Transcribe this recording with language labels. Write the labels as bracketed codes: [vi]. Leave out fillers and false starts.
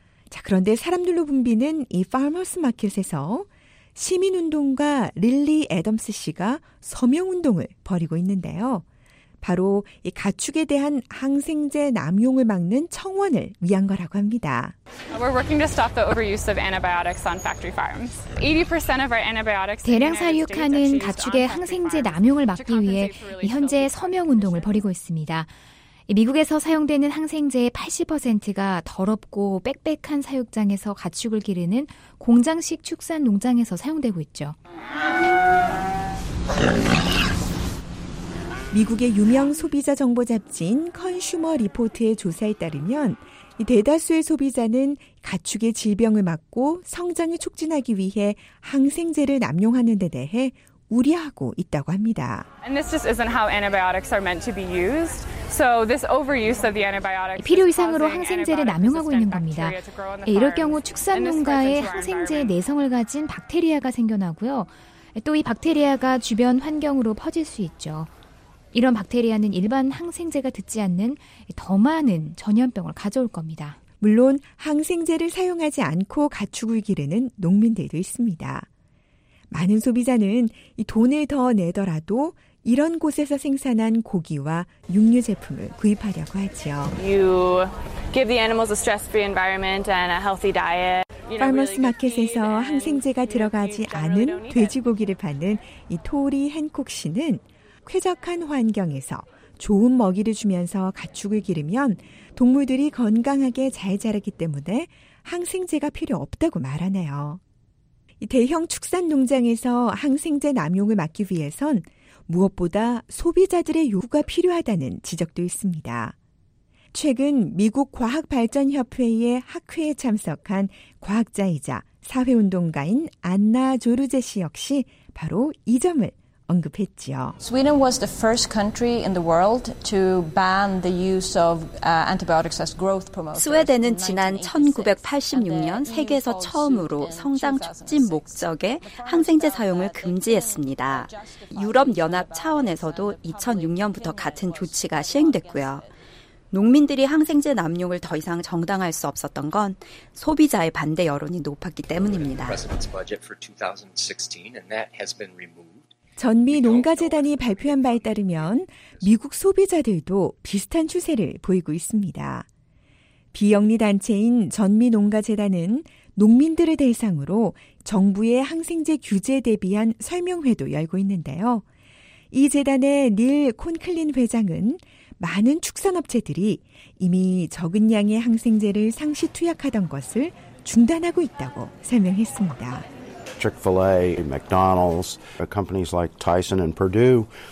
[ko] 자, 그런데 사람들로 붐비는 이 파머스 마켓에서 시민운동가 릴리 애덤스 씨가 서명운동을 벌이고 있는데요. 바로 이 가축에 대한 항생제 남용을 막는 청원을 위한 거라고 합니다. [en] We're working to stop the overuse of antibiotics on factory farms. 80% of our antibiotics. [ko] 대량 사육하는 가축의 항생제 남용을 막기 위해 현재 서명 운동을 벌이고 있습니다. 미국에서 사용되는 항생제의 80%가 더럽고 빽빽한 사육장에서 가축을 기르는 공장식 축산 농장에서 사용되고 있죠. 미국의 유명 소비자 정보 잡지인 컨슈머 리포트의 조사에 따르면 대다수의 소비자는 가축의 질병을 막고 성장을 촉진하기 위해 항생제를 남용하는 데 대해 우려하고 있다고 합니다. [en] And this just isn't how antibiotics are meant to be used. So this overuse of the antibiotics. [ko] 필요 이상으로 항생제를 남용하고 있는 겁니다. 이럴 경우 축산 농가에 항생제 내성을 가진 박테리아가 생겨나고요. 또 이 박테리아가 주변 환경으로 퍼질 수 있죠. 이런 박테리아는 일반 항생제가 듣지 않는 더 많은 전염병을 가져올 겁니다. 물론 항생제를 사용하지 않고 가축을 기르는 농민들도 있습니다. 많은 소비자는 이 돈을 더 내더라도 이런 곳에서 생산한 고기와 육류 제품을 구입하려고 하지요. [en] You give the animals a stress-free environment and a healthy diet. [ko] 파머스 마켓에서 항생제가 들어가지 않은 돼지고기를 파는 이 토리 헨콕 씨는 쾌적한 환경에서 좋은 먹이를 주면서 가축을 기르면 동물들이 건강하게 잘 자라기 때문에 항생제가 필요 없다고 말하네요. 이 대형 축산 농장에서 항생제 남용을 막기 위해선 무엇보다 소비자들의 요구가 필요하다는 지적도 있습니다. 최근 미국 과학발전협회의 학회에 참석한 과학자이자 사회운동가인 안나 조르제 씨 역시 바로 이 점을 언급했지요. [en] Sweden was the first country in the world to ban the use of antibiotics as growth promoters. [ko] 스웨덴은 지난 1986년 세계에서 처음으로 성장 촉진 목적의 항생제 사용을 금지했습니다. 유럽 연합 차원에서도 2006년부터 같은 조치가 시행됐고요. 농민들이 항생제 남용을 더 이상 정당화할 수 없었던 건 소비자의 반대 여론이 높았기 때문입니다. 전미 농가재단이 발표한 바에 따르면 미국 소비자들도 비슷한 추세를 보이고 있습니다. 비영리 단체인 전미 농가재단은 농민들을 대상으로 정부의 항생제 규제에 대비한 설명회도 열고 있는데요. 이 재단의 닐 콘클린 회장은 많은 축산업체들이 이미 적은 양의 항생제를 상시 투약하던 것을 중단하고 있다고 설명했습니다. [en] Chick-fil-A, McDonald's, companies like Tyson and Purdue.